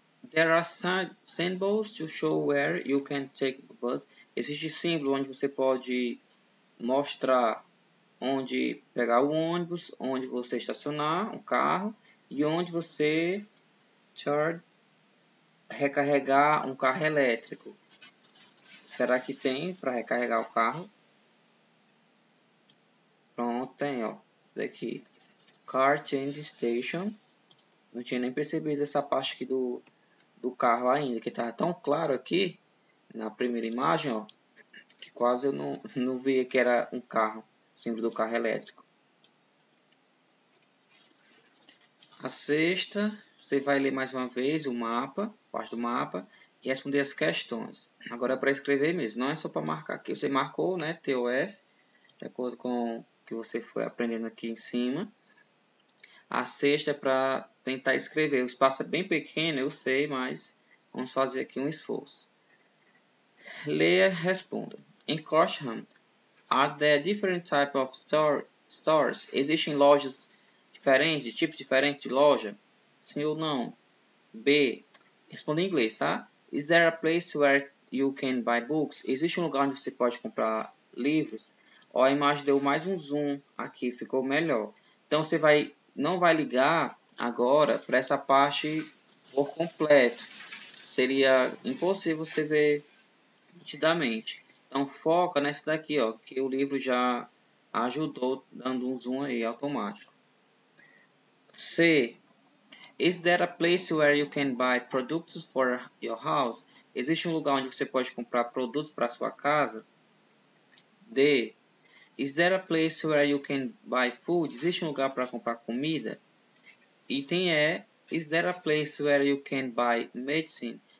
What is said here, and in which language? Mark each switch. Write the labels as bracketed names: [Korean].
[English] There are symbols to show where you can take the bus. [Portuguese] Existe símbolo onde você pode mostrar onde pegar o ônibus, onde você estacionar o carro e onde você recarregar um carro elétrico. Será que tem para recarregar o carro? Pronto, tem, ó. Isso daqui. [English] Car change station. [Portuguese] Não tinha nem percebido essa parte aqui do carro ainda, que tá tão claro aqui na primeira imagem, ó, que quase eu não via que era um carro, símbolo do carro elétrico. A sexta, você vai ler mais uma vez o mapa, parte do mapa, e responder as questões. Agora é para escrever mesmo, não é só para marcar aqui. Você marcou, né, TOF, de acordo com o que você foi aprendendo aqui em cima. A sexta é para tentar escrever. O espaço é bem pequeno, eu sei, mas vamos fazer aqui um esforço. Leia, responda. [English] Em Cochrane, are there different type of stores? [Portuguese] Existem lojas diferentes, tipo diferente de loja? Sim ou não? B. Responda em inglês, tá? [English] Is there a place where you can buy books? [Portuguese] Existe um lugar onde você pode comprar livros? Ó, a imagem deu mais um zoom aqui, ficou melhor. Então você vai. Não vai ligar agora para essa parte por completo. Seria impossível você ver nitidamente. Então foca nessa daqui, ó, que o livro já ajudou dando um zoom aí automático. C. [English] Is there a place where you can buy products for your house? [Portuguese] Existe um lugar onde você pode comprar produtos para sua casa? D. [English] Is there a place where you can buy food? [Portuguese] Existe um lugar para comprar comida? Item E. [English] Is there a place where you can buy medicine?